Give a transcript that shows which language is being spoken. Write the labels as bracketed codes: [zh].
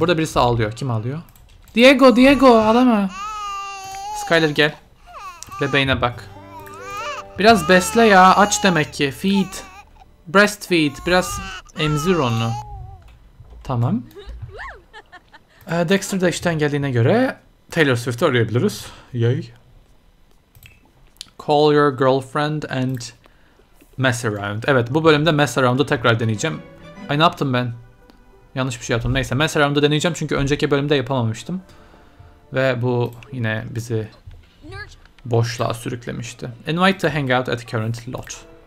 [tr] Burada birisi ağlıyor. Kim ağlıyor? Diego, Diego, adamı. Skyler gel. Bebeğine bak. Biraz besle ya. Aç demek ki. Feed. Breastfeed. Biraz emzir onu. Tamam. Dexter de işten geldiğine göre Taylor Swift'i arayabiliriz. Yay. [en] Call your girlfriend and mess around. [tr] Evet, bu bölümde mess around'u tekrar deneyeceğim. Ay, ne yaptım ben? Yanlış bir şey yaptım. Neyse, mess around'u deneyeceğim çünkü önceki bölümde yapamamıştım. Ve bu yine bizi boşluğa sürüklemişti. [en] Invite to hang out at current lot.